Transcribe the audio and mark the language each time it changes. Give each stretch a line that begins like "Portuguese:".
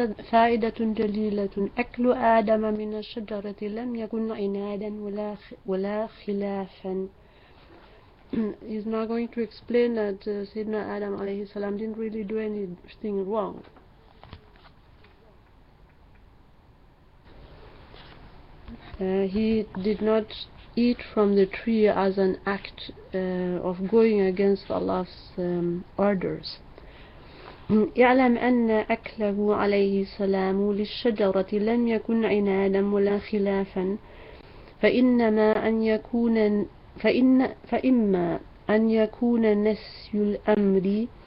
Arabic: فائدة جليلة أكل آدم من الشجرة لم يكن عنادا ولا خلافا.
English: He's now going to explain that Sayyidina Adam alayhi salam didn't really do anything wrong. He did not eat from the tree as an act of going against Allah's orders.
Arabic: اعلم أن أكله عليه السلام للشجرة لم يكن عنادا ولا خلافا فإنما أن يكون فإن فإما أن يكون نسي الأمر